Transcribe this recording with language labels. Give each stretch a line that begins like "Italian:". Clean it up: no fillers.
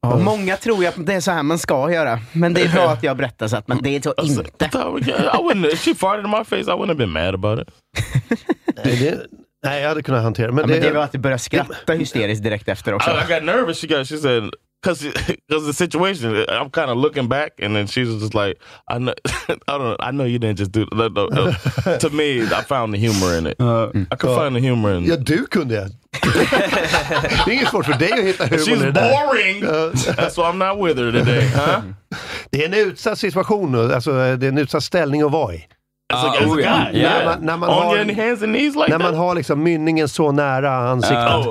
Swedish: Många tror ju att det är så här man ska göra, men det är bra att jag berättar så att man, det är så inte.
English: I wouldn't, if she farted in my face, I wouldn't have been mad about it.
Swedish: Nej, jag hade kunnat hantera men ja, det. Men det var att du började skratta hysteriskt direkt efter också.
English: I got nervous. She said, because the situation, I'm kind of looking back. And then she's just like, I know you didn't just do that. No. To me, I found the humor in it. I could find the humor in it.
Swedish: Ja, du kunde. Det är inget svårt för dig att hitta humor.
English: She's boring. That's why I'm not with her today. Huh?
Swedish: Det är en utsatt situation. Alltså, det är en utsatt ställning att vara i. När man har liksom mynningen så nära ansiktet.